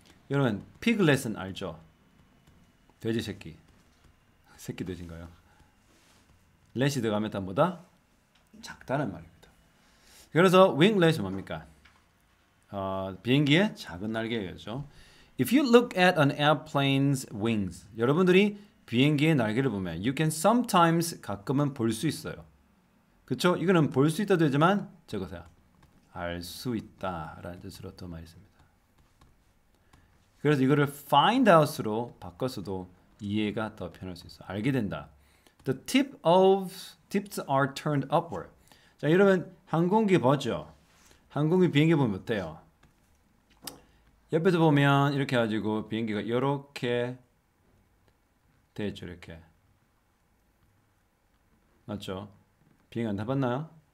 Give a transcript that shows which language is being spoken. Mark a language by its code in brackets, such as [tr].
[ko] 여러분 piglet은 알죠? 돼지 새끼. 새끼 돼지인가요? 렛이 들어가면 다 뭐다? 작다는 말입니다. 그래서 winglet은 뭡니까? 비행기의 작은 날개겠죠. [en] If you look at an airplane's wings, [ko] 여러분들이 비행기의 날개를 보면 [en] you can sometimes [ko] 가끔은 볼 수 있어요. 그렇죠? 이거는 볼 수 있다 되지만 적어서 알 수 있다라는 뜻으로 더 많이 씁니다. 그래서 이거를 find out으로 바꿔서도 이해가 더 편할 수 있어. 알게 된다. [en] The tip of tips are turned upward. [ko] 자, 여러분 항공기 보죠. 항공기 비행기 보면 어때요? 옆에서 보면 이렇게 가지고 비행기가 이렇게 되죠, 이렇게. 맞죠? 비행 안 타봤나요?